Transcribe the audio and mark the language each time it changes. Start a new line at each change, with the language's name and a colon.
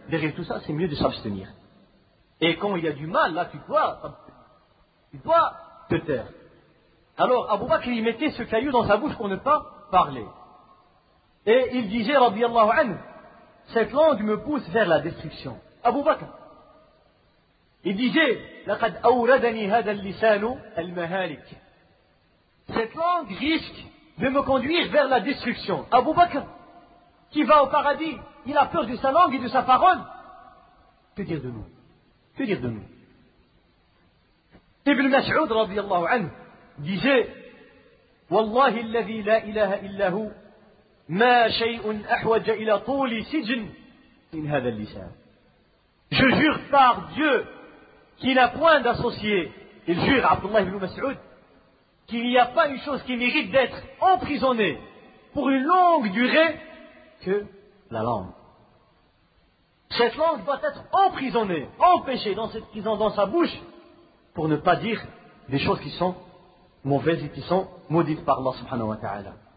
French: Derrière tout ça, c'est mieux de s'abstenir. Et quand il y a du mal, là, tu dois te taire. Alors, Abu Bakr, il mettait ce caillou dans sa bouche pour ne pas parler. Et il disait,
Arabic: radiyallahu anhu,
French: cette langue me pousse vers la destruction.
Arabic: Abu Bakr,
French: il disait,
Arabic: لقد أوردني هذا اللسان المهالك.
French: Cette langue risque de me conduire vers la destruction. Abu Bakr, qui va au paradis, il a peur de sa langue et de sa parole. Que dire de nous? Que dire de nous?
Arabic: Ibn Mas'ud, radiyallahu anhu,
French: disait,
Arabic: والله الذي لا إله إلا هو ما شيء أحوج إلى طول سجن من هذا اللسان.
French: Je jure par Dieu qu'il n'a point d'associé. Il jure Abdullah ibn Mas'ud qu'il n'y a pas une chose qui mérite d'être emprisonnée pour une longue durée que la langue. Cette langue doit être emprisonnée, empêchée dans cette prison dans sa bouche pour ne pas dire des choses qui sont mauvaises et qui sont maudites par Allah
Arabic: subhanahu wa ta'ala.